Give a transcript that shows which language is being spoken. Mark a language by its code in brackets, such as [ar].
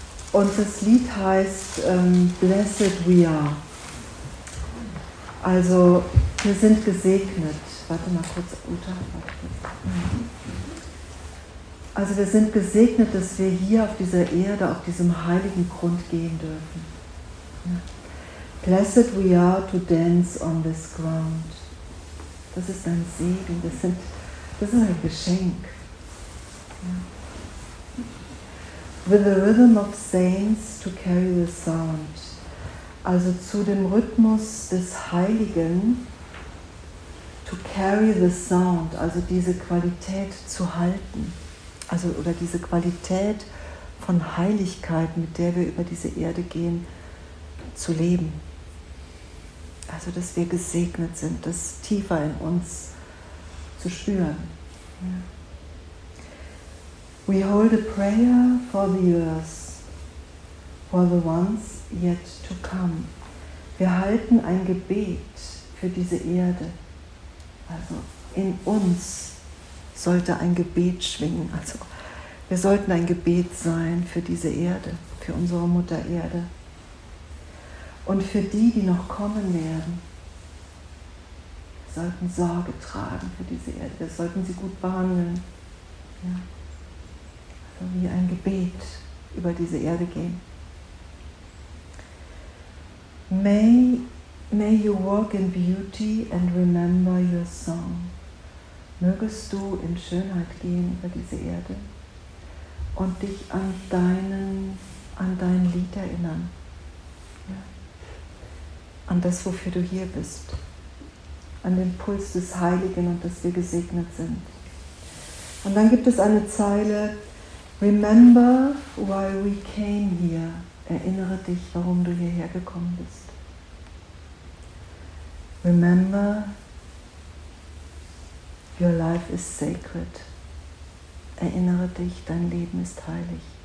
[de] Und das Lied heißt Blessed We Are. Also, wir sind gesegnet. Warte mal kurz, Uta. Also, wir sind gesegnet, dass wir hier auf dieser Erde, auf diesem heiligen Grund gehen dürfen. [en] Blessed we are to dance on this ground. [de] Das ist ein Segen, das ist ein Geschenk. [en] With the rhythm of saints to carry the sound. [de] Also zu dem Rhythmus des Heiligen, [en] to carry the sound, [de] also diese Qualität zu halten. Also, oder diese Qualität von Heiligkeit, mit der wir über diese Erde gehen, zu leben. Also, dass wir gesegnet sind, das tiefer in uns zu spüren. Yeah. [en] We hold a prayer for the earth, for the ones yet to come. [de] Wir halten ein Gebet für diese Erde. Also, in uns sollte ein Gebet schwingen. Also, wir sollten ein Gebet sein für diese Erde, für unsere Mutter Erde. Und für die, die noch kommen werden, wir sollten Sorge tragen für diese Erde. Wir sollten sie gut behandeln. Ja. Also wie ein Gebet über diese Erde gehen. [en] May you walk in beauty and remember your song. [de] Mögest du in Schönheit gehen über diese Erde und dich an dein Lied erinnern. An das, wofür du hier bist. An den Puls des Heiligen und dass wir gesegnet sind. Und dann gibt es eine Zeile. [en] Remember why we came here. [de] Erinnere dich, warum du hierher gekommen bist. [en] Remember, your life is sacred. [de] Erinnere dich, dein Leben ist heilig.